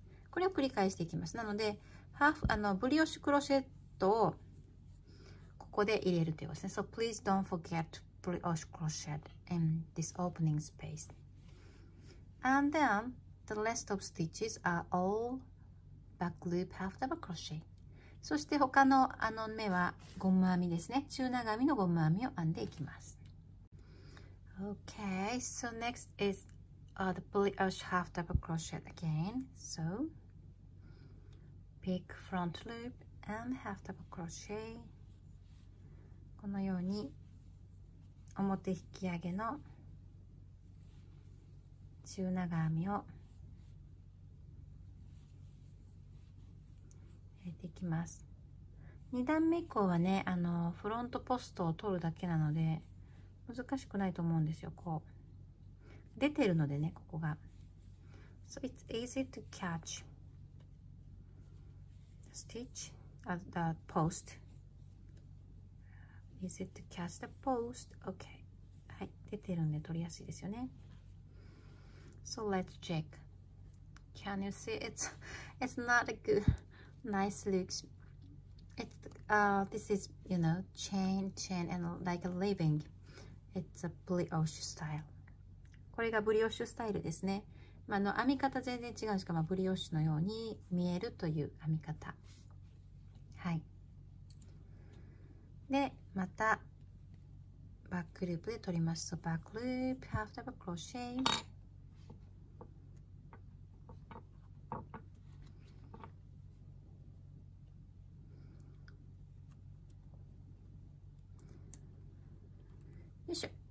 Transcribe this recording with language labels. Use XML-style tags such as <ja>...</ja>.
<ja>これを繰り返していきます。なので、ハーフ、ブリオッシュクロシェットをここで入れるということですね。</ja> <en>So please don't forget brioche crochet in this opening space. And then, the rest of stitches are all back loop half double crochet.</en> <ja>そして他の、目はゴム編みですね。中長編みのゴム編みを編んでいきます。</ja> <en>Okay, so next is the brioche half double crochet again. So pick front loop and half double crochet.</en> <ja>このように表引き上げの中長編みを入れていきます。 2段目以降はね、フロントポストを取るだけなので難しくないと思うんですよ。こう出てるのでね、ここが。</ja> <en>So it's easy to catch the stitch at the post. Easy to catch the post.</en> <ja>Okay. はい、出てるんで取りやすいですよね。</ja> <en>So let's check. Can you see? It's not a good nice look. It's this is, you know, chain and like a living. It's a brioche style.</en> <ja>これがブリオッシュスタイルですね。まあ、編み方全然違うんですが、まあ、ブリオッシュのように見えるという編み方。はい。で、またバックループで取ります。</ja> <en>So back loop, half double crochet. よいしょ。</en>